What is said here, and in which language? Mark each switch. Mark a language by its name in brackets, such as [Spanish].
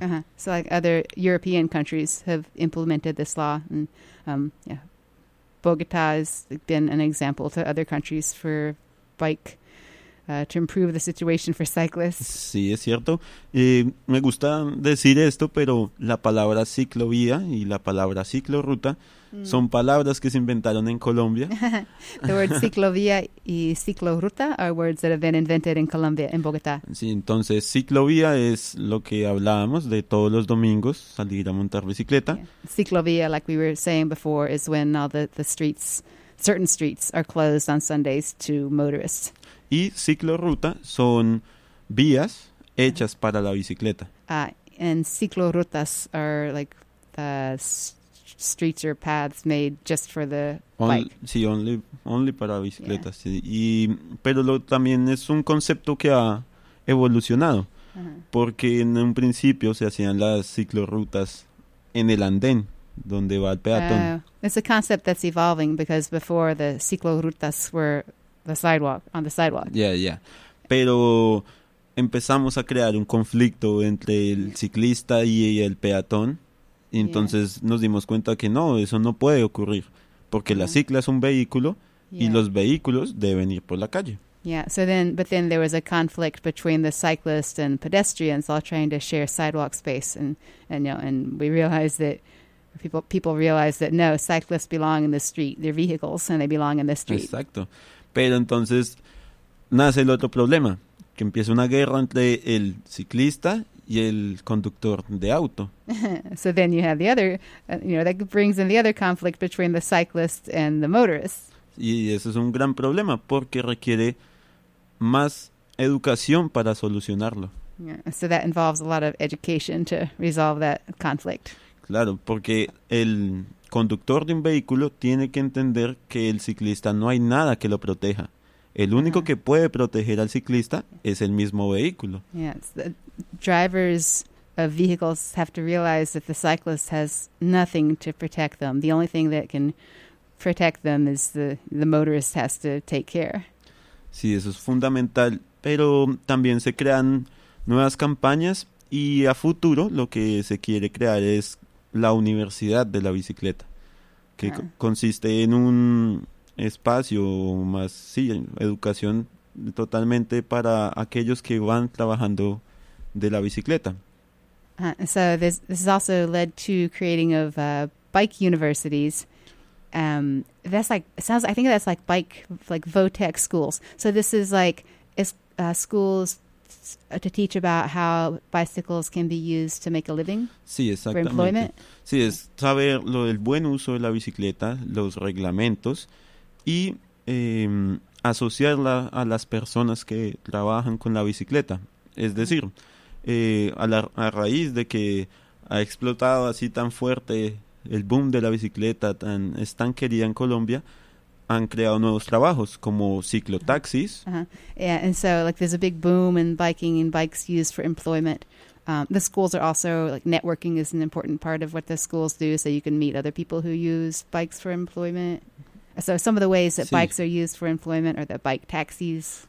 [English] Uh-huh. So like other European countries have implemented this law. And, Bogotá has been an example to other countries for bike, to improve the situation for cyclists. [Spanish] Sí, es cierto. Me gusta decir esto, pero la palabra ciclovía y la palabra ciclorruta son palabras que se inventaron en Colombia. [English] The word ciclovía [Spanish] y ciclorruta [English] are words that have been invented in Colombia, [Spanish] en Bogotá. Sí, entonces ciclovía es lo que hablábamos de todos los domingos salir a montar bicicleta. [English] Yeah. Ciclovía, like we were saying before, is when all the streets, certain streets, are closed on Sundays to motorists. [Spanish] Y ciclorruta son vías hechas para la bicicleta. [English] And ciclorutas are like the streets or paths made just for the bike. [Spanish] Sí, [English] only [Spanish] para bicicletas. Yeah. Sí. Pero también es un concepto que ha evolucionado. Uh-huh. Porque en un principio se hacían las ciclorutas en el andén, donde va el peatón. [English] It's a concept that's evolving because before the ciclorutas were on the sidewalk. Yeah. [Spanish] Pero empezamos a crear un conflicto entre el ciclista y el peatón. Y entonces nos dimos cuenta que no, eso no puede ocurrir, porque la cicla es un vehículo y los vehículos deben ir por la calle. [English] Yeah, but then there was a conflict between the cyclist and pedestrians all trying to share sidewalk space, and we realized that people realized that no, cyclists belong in the street, they're vehicles and they belong in the street. [Spanish] Exacto. Pero entonces nace el otro problema, que empieza una guerra entre el ciclista y el conductor de auto. [English] So then you have the other, that brings in the other conflict between the cyclist and the motorist. [Spanish] Y eso es un gran problema porque requiere más educación para solucionarlo. [English] Yeah. So that involves a lot of education to resolve that conflict. [Spanish] Claro, porque el conductor de un vehículo tiene que entender que el ciclista no hay nada que lo proteja. El único que puede proteger al ciclista es el mismo vehículo. [English] Yes, the drivers of vehicles have to realize that the cyclist has nothing to protect them. The only thing that can protect them is the motorist has to take care. [Spanish] Sí, eso es fundamental, pero también se crean nuevas campañas y a futuro lo que se quiere crear es la Universidad de la Bicicleta, que consiste en un espacio más, sí, educación totalmente para aquellos que van trabajando de la bicicleta. [English] So this has also led to creating of bike universities. That's like sounds. I think that's like bike, like VOTEC schools. So this is like schools to teach about how bicycles can be used to make a living. [Spanish] Sí, exactamente. [English] For employment. [Spanish] Sí, es saber lo del buen uso de la bicicleta, los reglamentos y asociarla a las personas que trabajan con la bicicleta. Es decir, a raíz de que ha explotado así tan fuerte el boom de la bicicleta, tan es tan querida en Colombia, han creado nuevos trabajos como ciclotaxis. Uh-huh. [English] Yeah, and so like there's a big boom in biking and bikes used for employment. The schools are also like networking is an important part of what the schools do, so you can meet other people who use bikes for employment. So some of the ways that sí. bikes are used for employment are the bike taxis.